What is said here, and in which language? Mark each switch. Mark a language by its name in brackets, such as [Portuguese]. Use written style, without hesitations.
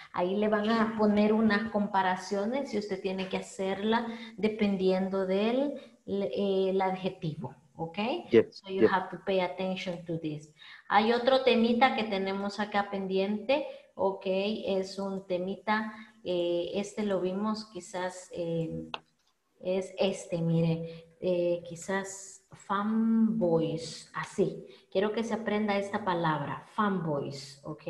[Spanish] Ahí le van a poner unas comparaciones y usted tiene que hacerla dependiendo del el adjetivo, ¿ok? [English] Yes, so you have to pay attention to this. [Spanish] Hay otro temita que tenemos acá pendiente, ¿ok? Es un temita, este lo vimos quizás, es este, mire, quizás fanboys, así. Quiero que se aprenda esta palabra, fanboys, ¿ok?